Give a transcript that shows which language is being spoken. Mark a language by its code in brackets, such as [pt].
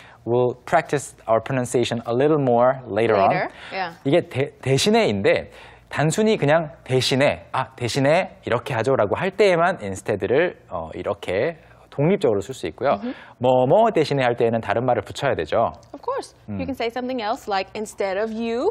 [en] We'll practice our pronunciation a little more later on. Yeah. [ko] 이게 대신에인데 단순히 그냥 대신에 아 대신에 이렇게 하죠라고 할 때에만 instead를 이렇게 독립적으로 쓸 수 있고요. 뭐뭐 mm-hmm. 뭐 대신에 할 때에는 다른 말을 붙여야 되죠. [en] Of course, you can say something else like instead of you.